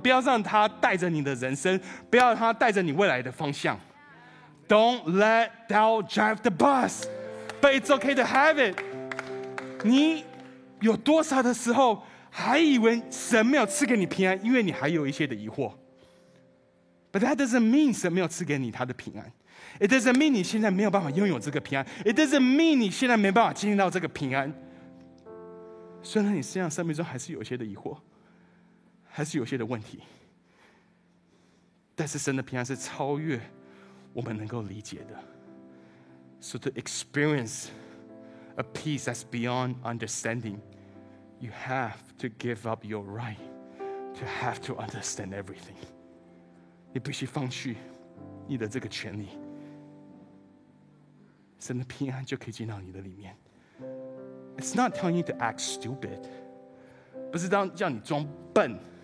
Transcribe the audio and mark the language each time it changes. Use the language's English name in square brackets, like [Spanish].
[Chinese] 不要让他带着你的人生，不要让他带着你未来的方向。 [English] Don't let doubt drive the bus, but it's okay to have it. [Chinese] 你有多少的时候还以为神没有赐给你平安，因为你还有一些的疑惑。 [English] But that doesn't mean [Chinese] 神没有赐给你他的平安。 [English] It doesn't mean [Chinese] 你现在没有办法拥有这个平安。 [English] It doesn't mean [Chinese] 你现在没办法经历到这个平安。虽然你身上生命中还是有一些的疑惑。还是有些的问题，但是神的平安是超越我们能够理解的。 [English] So to experience a peace that's beyond understanding, you have to give up your right to have to understand everything. [Chinese] 你必须放弃你的这个权利，神的平安就可以进到你的里面。 [English] It's not telling you to act stupid, [Chinese] 不是叫你装笨。